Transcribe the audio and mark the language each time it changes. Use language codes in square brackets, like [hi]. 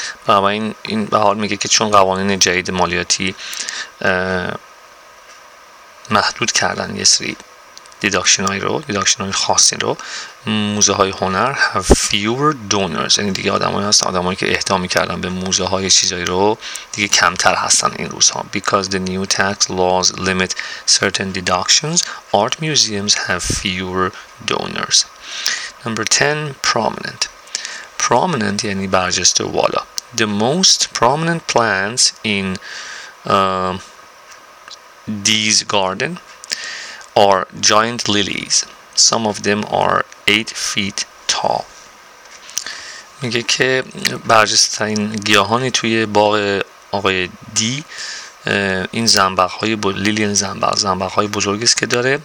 [fa] برای این به حال میگه که چون قوانین جدید مالیاتی محدود کردن یه سری deduction های خاصی رو، موزه های هنر [en] have fewer donors، [fa] یعنی دیگه آدمایی که اهدا میکردن به موزه های چیزایی رو دیگه کمتر هستن این روزها. [en] Because the new tax laws limit certain deductions, art museums have fewer donors. Number 10, prominent. Prominent [fa] یعنی برجسته و والا. [en] The most prominent plants in Dee's garden are giant lilies. Some of them are 8 feet tall. [fa] میگه که برجسته‌ترین گیاهانی توی باغ آقای دی این زنبق‌های لیلیان زنبق‌های بزرگی است که داره.